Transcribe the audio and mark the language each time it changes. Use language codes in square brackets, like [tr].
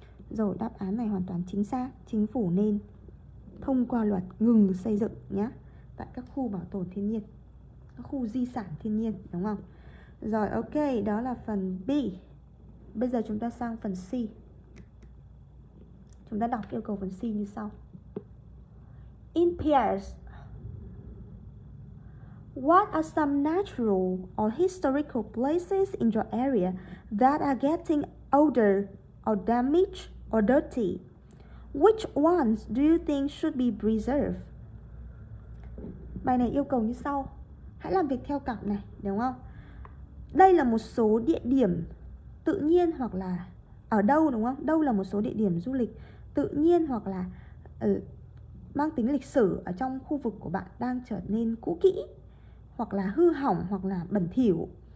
[vi] Rồi, đáp án này hoàn toàn chính xác. Chính phủ nên thông qua luật ngừng xây dựng nhé, tại các khu bảo tồn thiên nhiên, các khu di sản thiên nhiên, đúng không? Rồi, ok, đó là phần B. Bây giờ chúng ta sang phần C. Chúng ta đọc yêu cầu phần C như sau. [en] In pairs, what are some natural or historical places in your area that are getting older or damaged or dirty? Which ones do you think should be preserved? [vi] Bài này yêu cầu như sau. Hãy làm việc theo cặp này, đúng không? Đây là một số địa điểm tự nhiên hoặc là ở đâu, đúng không? Đâu là một số địa điểm du lịch tự nhiên hoặc là mang tính lịch sử ở trong khu vực của bạn đang trở nên cũ kỹ hoặc là hư hỏng hoặc là bẩn thỉu.